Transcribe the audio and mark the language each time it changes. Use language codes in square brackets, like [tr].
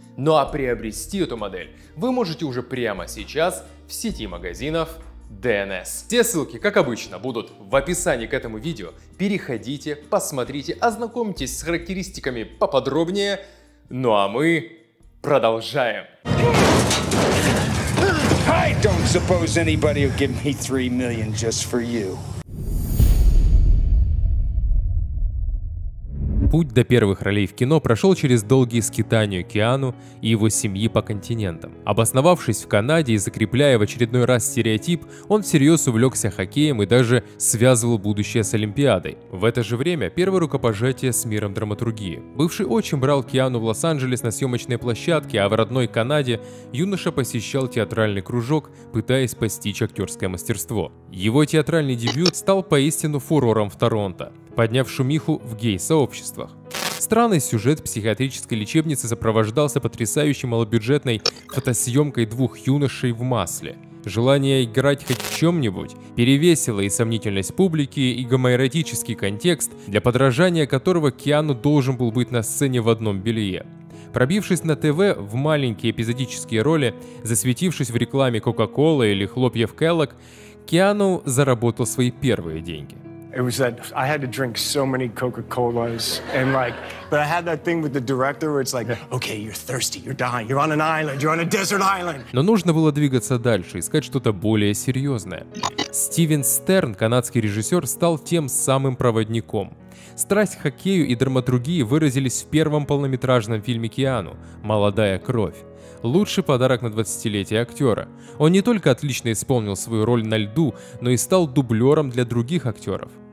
[ru] Ну а приобрести эту модель вы можете уже прямо сейчас в сети магазинов DNS. Все ссылки, как обычно, будут в описании к этому видео. Переходите, посмотрите, ознакомьтесь с характеристиками поподробнее. Ну а мы продолжаем. [en] I don't suppose anybody will give me 3 million just for you. [ru] Путь до первых ролей в кино прошел через долгие скитания Киану и его семьи по континентам. Обосновавшись в Канаде и закрепляя в очередной раз стереотип, он всерьез увлекся хоккеем и даже связывал будущее с Олимпиадой. В это же время первое рукопожатие с миром драматургии. Бывший отчим брал Киану в Лос-Анджелес на съемочной площадке, а в родной Канаде юноша посещал театральный кружок, пытаясь постичь актерское мастерство. Его театральный дебют стал поистину фурором в Торонто, подняв шумиху в гей-сообществах. Странный сюжет психиатрической лечебницы сопровождался потрясающей малобюджетной фотосъемкой двух юношей в масле. Желание играть хоть в чем-нибудь перевесило и сомнительность публики, и гомоэротический контекст, для подражания которого Киану должен был быть на сцене в одном белье. Пробившись на ТВ в маленькие эпизодические роли, засветившись в рекламе Coca-Cola или хлопьев Kellogg, Киану заработал свои первые деньги. [en] It was that I had to drink so many Coca-Colas and like, but I had that thing with the director where it's like, okay, you're thirsty, you're dying, you're on an island, you're on a desert island. [ru] Но нужно было двигаться дальше, искать что-то более серьезное. Стивен Стерн, канадский режиссер, стал тем самым проводником. Страсть к хоккею и драматургии выразились в первом полнометражном фильме Киану «Молодая кровь». Лучший подарок на 20-летие актера. Он не только отлично исполнил свою роль на льду, но и стал дублером для других актеров.